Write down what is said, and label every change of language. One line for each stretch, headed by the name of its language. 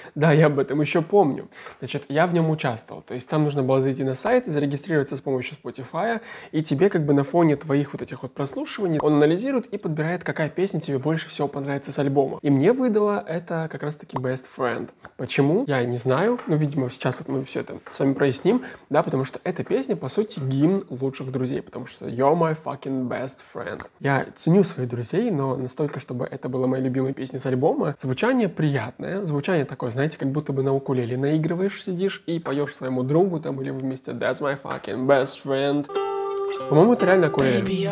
Russian: Да, я об этом еще помню. Значит, я в нем участвовал. То есть там нужно было зайти на сайт и зарегистрироваться с помощью Spotify, и тебе как бы на фоне твоих вот этих вот прослушиваний он анализирует и подбирает, какая песня тебе больше всего понравится с альбома. И мне выдало это как раз-таки Best Friend. Почему? Я не знаю. Но, видимо, сейчас вот мы все это с вами проясним. Да, потому что эта песня, по сути, гимн лучших друзей. Потому что
English: you're my fucking best friend.
Russian: Я ценю своих друзей, но настолько, чтобы это была моя любимая песня с альбома. Звучание приятное, звучание такое, знаете, как будто бы на укулеле наигрываешь, сидишь и поешь своему другу там или вместе
English: That's my fucking best friend.
Russian: По-моему, это реально кое.